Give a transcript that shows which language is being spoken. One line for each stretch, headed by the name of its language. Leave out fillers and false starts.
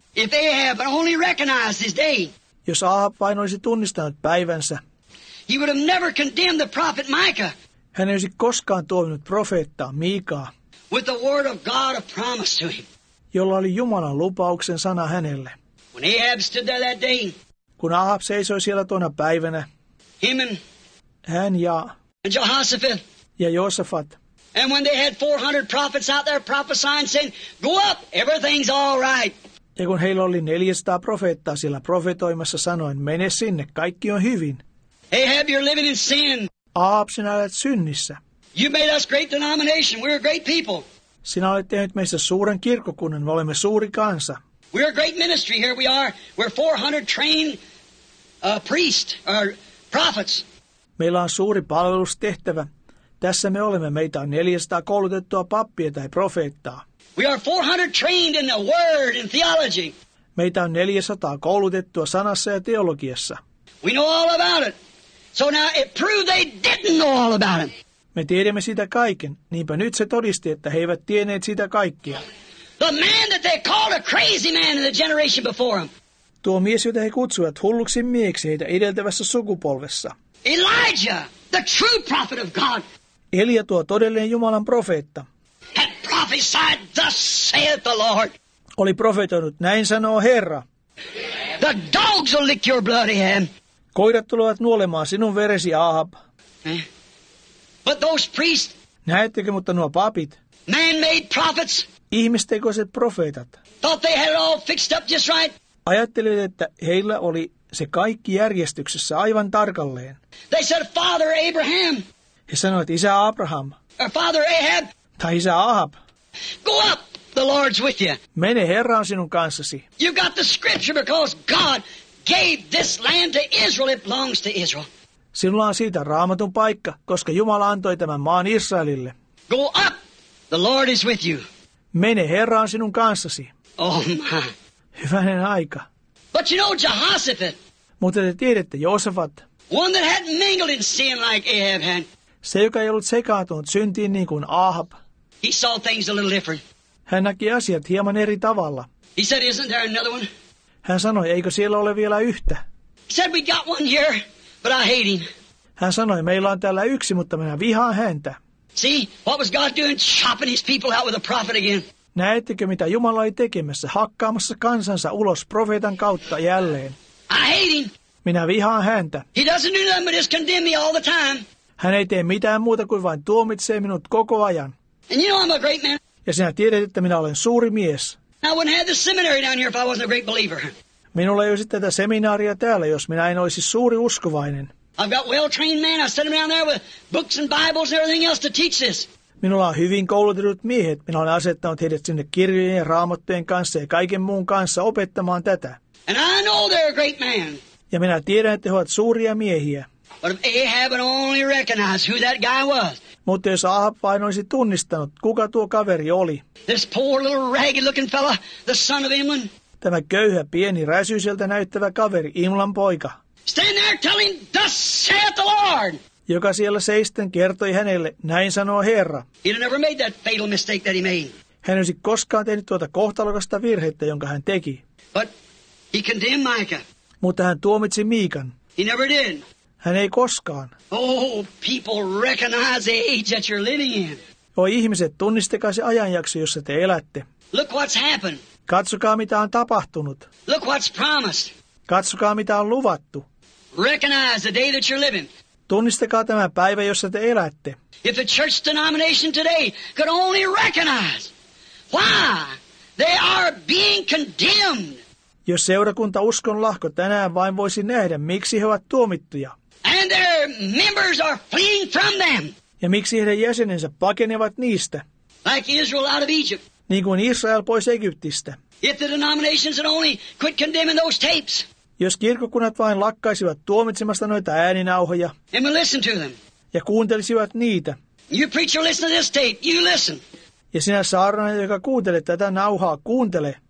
English: If they have, but only recognize this day.
Finnish: Jos Ahab vain olisi tunnistanut päivänsä,
English: he would have never condemned the prophet Micah.
Finnish: Hän ei olisi koskaan tuominut profeettaa Miikaa,
English: with the word of God of promise to him.
Finnish: Jolla oli Jumalan lupauksen sana hänelle.
English: When Ahab stood there that day,
Finnish: kun Ahab seisoi siellä tuona päivänä,
English: him and
Finnish: hän ja
English: Jehoshaphat,
Finnish: ja Josafat,
English: and when they had 400 prophets out there prophesying, saying, "Go up, everything's all right."
Finnish: Ja kun heillä oli 400 profeettaa siellä profetoimassa, sanoin, mene sinne, kaikki on hyvin.
English: Ahab, you're living in sin.
Finnish: Ahab, sinä olet synnissä.
English: You made us great denomination. We're a great people.
Finnish: Sinä olet tehnyt meistä suuren kirkkokunnan, me olemme suuri kansa.
English: We're a great ministry here. We are. We're 400 trained priests or prophets.
Finnish: Meillä on suuri palvelustehtävä. Tässä me olemme. Meitä on 400 koulutettua pappia tai profeettaa.
English: We are 400 trained in the word and theology.
Finnish: Meitä on 400 koulutettua sanassa ja teologiassa.
English: We know all about it. So now it proved they didn't know all about it.
Finnish: Me tiedämme siitä kaiken. Niinpä nyt se todisti, että he eivät tienneet siitä kaikkia.
English: The man that they called a crazy man in the generation before him.
Finnish: Tuo mies, jota he kutsuivat hulluksi mieksi heitä edeltävässä sukupolvessa.
English: Elijah, the true prophet of God.
Finnish: Elia, tuo todellinen Jumalan profeetta.
English: Had prophesied, thus saith the Lord.
Finnish: Oli profetoinut, näin sanoo Herra.
English: The dogs will lick your bloody hand.
Finnish: Koirat tulevat nuolemaan sinun veresi, Ahab.
English: But those priests.
Finnish: Näettekö, mutta nuo papit.
English: Man-made prophets.
Finnish: Ihmistekoiset profeetat.
English: Thought they had all fixed up just right.
Finnish: Ajattelivat, että heillä oli se kaikki järjestyksessä aivan tarkalleen.
English: They said, Father Abraham.
Finnish: He sanoivat, isä Abraham.
English: Or Father Ahab.
Finnish: Tai isä Ahab.
English: Go up, the Lord's with you.
Finnish: Mene, Herra on sinun kanssasi.
English: You got the scripture because God gave this land to Israel. It belongs to Israel.
Finnish: Sinulla on siitä Raamatun paikka, koska Jumala antoi tämän maan Israelille.
English: Go up, the Lord is with you.
Finnish: Mene, Herra on sinun kanssasi.
English: Oh my.
Finnish: Hyvänen aika.
English: But you know Jehoshaphat.
Finnish: Mutta te tiedätte, Josafat.
English: One that hadn't mingled in sin like Ahab had.
Finnish: Se, joka ei ollut sekaantunut syntiin niin kuin Ahab.
English: He saw things a little different.
Finnish: Hän näki asiat hieman eri tavalla.
English: He said, isn't there another one?
Finnish: Hän sanoi, eikö siellä ole vielä yhtä?
English: He said, we got one here, but I hate him.
Finnish: Hän sanoi, meillä on täällä yksi, mutta minä vihaan häntä.
English: See, what was God doing, chopping his people out with a prophet again?
Finnish: Näettekö, mitä Jumala oli tekemässä, hakkaamassa kansansa ulos profeetan kautta jälleen?
English: I hate him.
Finnish: Minä vihaan häntä.
English: He doesn't do nothing but just condemn me all the time.
Finnish: Hän ei tee mitään muuta kuin vain tuomitsee minut koko ajan.
English: And you know I'm a great man.
Finnish: Ja sinä tiedät, että minä olen suuri mies.
English: I wouldn't have this seminary down here if I wasn't a great believer.
Finnish: Minulla ei olisi tätä seminaaria täällä, jos minä en olisi suuri uskovainen.
English: I've got well-trained men. I sent them down there with books and Bibles and everything else to teach this.
Finnish: Minulla on hyvin koulutetut miehet. Minä olen asettanut heidät sinne kirjojen ja raamattujen kanssa ja kaiken muun kanssa opettamaan tätä.
English: And I know they're a great man.
Finnish: Ja minä tiedän, että he ovat suuria miehiä.
English: But if Ahab would only recognize who that guy was.
Finnish: Mutta jos Ahab vain olisi tunnistanut, kuka tuo kaveri oli.
English: This poor little ragged-looking fella, the son of Imlan.
Finnish: Tämä köyhä, pieni, räsyiseltä näyttävä kaveri, Imlan poika.
English: Stand there telling, thus saith the Lord.
Finnish: Joka siellä seisten kertoi hänelle, näin sanoo Herra.
English: He'd have never made that fatal mistake that he made.
Finnish: Hän olisi koskaan tehnyt tuota kohtalokasta virhettä, jonka hän teki.
English: But he condemned Micah.
Finnish: Mutta hän tuomitsi Miikan.
English: He never did.
Finnish: Hän ei koskaan.
English: Oh, people recognize the age that you're living in.
Finnish: Oi ihmiset, tunnistakaa se ajanjakso, jossa te elätte.
English: Look what's happened.
Finnish: Katsokaa, mitä on tapahtunut.
English: Look what's promised.
Finnish: Katsokaa, mitä on luvattu.
English: Recognize the day that you're living.
Finnish: Tunnistakaa tämä päivä, jossa te elätte.
English: If the church denomination today could only recognize why they are being condemned.
Finnish: Jos seurakunta uskon lahko tänään vain voisi nähdä, miksi he ovat tuomittuja.
English: And their members are fleeing from them.
Finnish: Ja miksi heidän jäsenensä pakenevat niistä.
English: Like Israel out of Egypt.
Finnish: Niin kuin Israel pois Egyptistä.
English: If the denominations had only quit condemning those tapes.
Finnish: Jos kirkkokunnat vain lakkaisivat tuomitsemasta noita ääninauhoja.
English: And we listen to them.
Finnish: Ja kuuntelisivat niitä.
English: You preach or listen to this tape, you listen.
Finnish: Ja sinä saarnaaja, joka kuuntelet tätä nauhaa, kuuntele.